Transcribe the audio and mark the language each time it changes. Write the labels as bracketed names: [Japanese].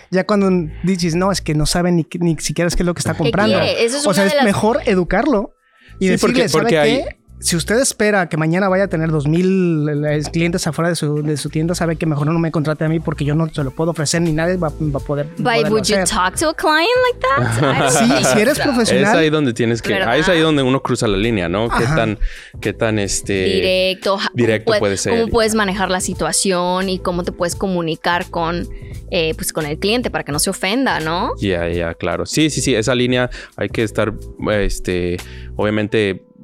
[Spanish] Ya cuando dices, no, es que no sabe ni siquiera es qué es lo que está comprando. Mejor educarlo y sí, decirle, porque, ¿sabe porque qué? Hay... Si usted espera que mañana vaya a tener 2,000 clientes afuera de su tienda, sabe que mejor no me contrate a mí porque yo no se lo puedo ofrecer ni nadie va a poder. [English] But would you talk to a client like that? [Spanish] Si eres profesional. Es ahí donde tienes que. ¿Verdad? Es ahí donde uno cruza la línea, ¿no? Ajá. ¿Qué tan directo? Directo puede ser. ¿Cómo puedes manejar la situación y cómo te puedes comunicar con el cliente para que no se ofenda, ¿no? Ya, claro. Sí. Esa línea hay que estar, obviamente.